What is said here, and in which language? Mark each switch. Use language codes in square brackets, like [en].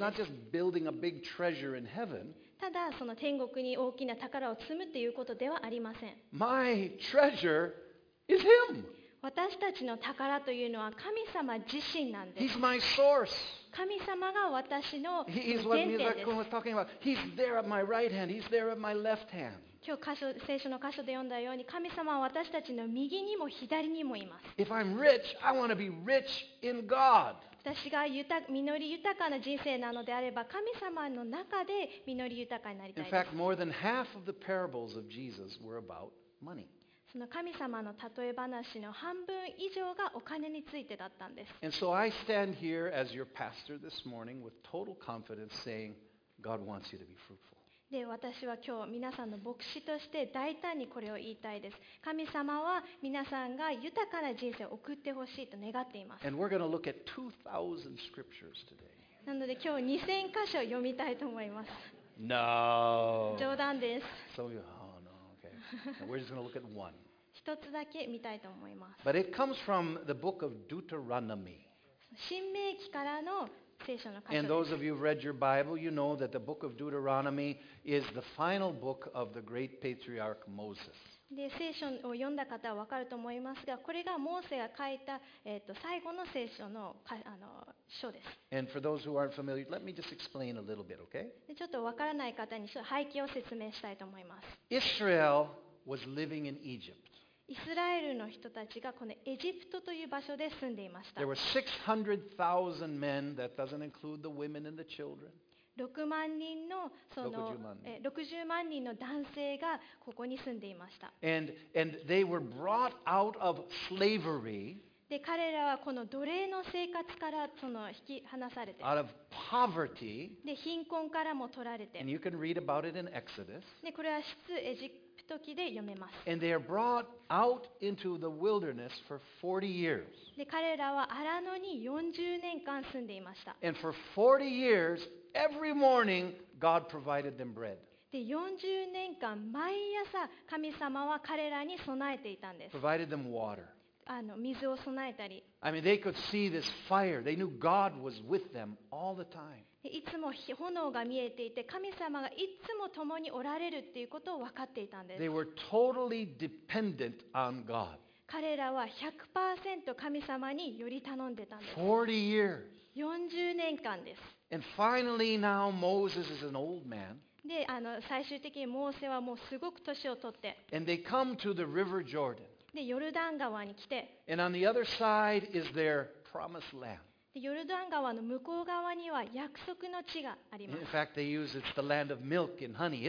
[en] It's not just building a big treasure in heaven. [ja] ただその天国に大きな宝を積むということではありません。 [en] My treasure is him. [ja] 私たちの宝というのは神様自身なんです。 [en] He's my source. [ja] 神様が私の原点です。 [en] He's what Miyazaki was talking about. He's there at my right hand. He's there at my left hand. [ja] 今日聖書の箇所で読んだように神様は私たちの右にも左にもいます。 [en] If I'm rich, I want to be rich in God. [ja] 私が実り豊かな人生なのであれば神様の中で実り豊かになりたいです。 [en] In fact, more than half of the parables of Jesus were about money. [ja] その神様の例え話の半分以上がお金についてだったんです。 [en] And so I stand here as your pastor this morning with total confidence saying, God wants you to be fruitful. [ja] で私は今日皆さんの牧師として大胆にこれを言いたいです。神様は皆さんが豊かな人生を送ってほしいと願っています。 [en] And we're going to look at 2,000 scriptures today. [ja] なので今日2,000箇所読みたいと思います。 [en] No. [ja] 冗談です。 [en] So you, oh no, okay. Now we're just going to look at one. [ja] 一つだけ見たいと思います。 [en] But it comes from the book of Deuteronomy. [ja] 申命記からの聖書の箇所です。 [en] And those of you who've read your Bible, you know that the book of Deuteronomy is the final book of the great patriarch Moses. [ja] で、聖書を読んだ方は分かると思いますが、これがモーセが書いた、最後の聖書の、書です。 [en] And for those who aren't familiar, let me just explain a little bit, okay? [ja] で、ちょっと分からない方に背景を説明したいと思います。 [en] Israel was living in Egypt. [ja] イスラエルの人たちがこのエジプトという場所で住んでいました。 [en] There were 600,000 men, that doesn't include the women and the children. [ja] 6万人のその60万人の男性がここに住んでいました。 [en] And they were brought out of slavery。 [ja] で彼らはこの奴隷の生活からその引き離されて、 [en] out of poverty。 [ja] で貧困からも取られて、 [en] and you can read about it in Exodus。 [ja] でこれは出エジプト記で読めます。 [en] And they are brought out into the wilderness for 40 years。 [ja] で彼らは荒野に40年間住んでいました。 [en] And for 40 years。 Every morning, God provided them bread. [ja] で、40年間毎朝神様は彼らに備えていたんです。 [en] Provided them water. [ja] あの、水を備えたり。 [en] I mean, they could see this fire. They knew God was with them all the time. [ja] で、いつも炎が見えていて、神様がいつも共におられるっていうことを分かっていたんです。 [en] They were totally dependent on God. [ja] 彼らは 100% 神様により頼んでたんです。 [en] 40 years. [ja] 40年間です。 [en] And finally, now Moses is an old man. [ja] で、あの、最終的にモーセはもうすごく年を取って。 [en] And they come to the River Jordan. [ja] で、ヨルダン川に来て。 [en] And on the other side is their promised land. [ja] で、ヨルダン川の向こう側には約束の地があります。 [en] In fact, they use it's the land of milk and honey.